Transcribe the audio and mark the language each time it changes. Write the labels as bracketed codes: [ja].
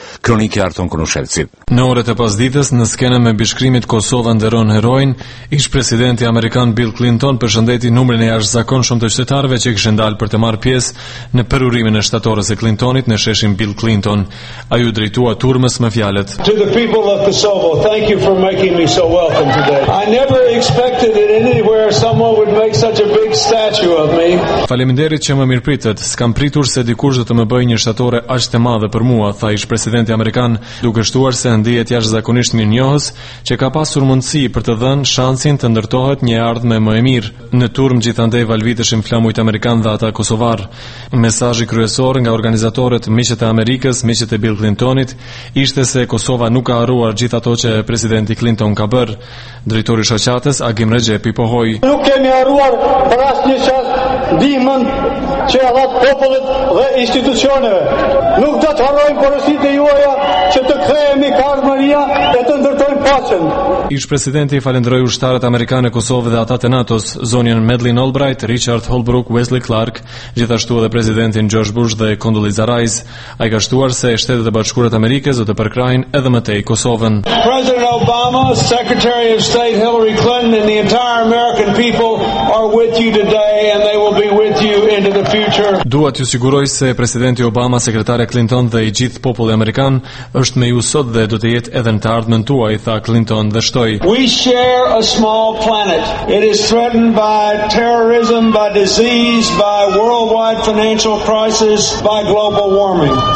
[sq] Kronike Arton Kronushevcit. Në orët e pasdites, në skenën me bishkrimit Kosova nderon heroin, ish presidenti Amerikan Bill Clinton përshëndeti numrin e jashtëzakonshëm të qytetarëve që kishin dalë për të marrë pjesë në perurimin e shtatorës e Clintonit në sheshin Bill Clinton. Ai u drejtua turmës me fjalët. [en] To the people of Kosovo, thank you for making me so welcome today. I never expected it anywhere someone would make such a big statue of me. [sq] Faleminderit që më mirëpritët. S'kam pritur se dikush do të më bëjë një shtatore aq të madhe për mua, tha ish presidenti amerikan, duke shtuar se ndihet jashtëzakonisht mirënjohës që ka pasur mundësi për të dhënë shansin të ndërtohet një ardhmë më e mirë. Në turm gjithandej valviteshin flamujt amerikan dhe ata kosovar. Mesazhi kryesor nga organizatorët, miqët e Amerikës, miqët e Bill Clintonit, ishte se Kosova nuk ka harruar gjithë ato që presidenti Clinton ka bërë. Drejtori shoqatës Agim Rexhepi pohoi. Nuk kemi harruar për asnjë shans ndihmën që e dhatë popullit dhe institucioneve. Nuk do të harrojmë porositë e juaja që të kthehemi ka armëria e të ndërtojmë paqen. Ish presidenti falendroi ushtarët amerikanë e Kosovës dhe ata të NATO-s, zonjën Madeleine Albright, Richard Holbrook, Wesley Clark, gjithashtu edhe presidentin George Bush dhe Condoleezza Rice. Ai ka shtuar se Shtetet e Bashkuara të Amerikës do të përkrahin edhe më tej Kosovën. [en] President Obama, Secretary of State Hillary Clinton and the entire American people are with you today and they will be with you into the future. [sq] Dua t'ju siguroj se presidenti Obama, sekretare Clinton dhe i gjithë populli amerikan është me ju sot dhe do të jetë edhe në të ardhmen tuaj, tha Clinton dhe shtoi. [en] We share a small planet. It is threatened by terrorism, by disease, by worldwide financial crisis, by global warming.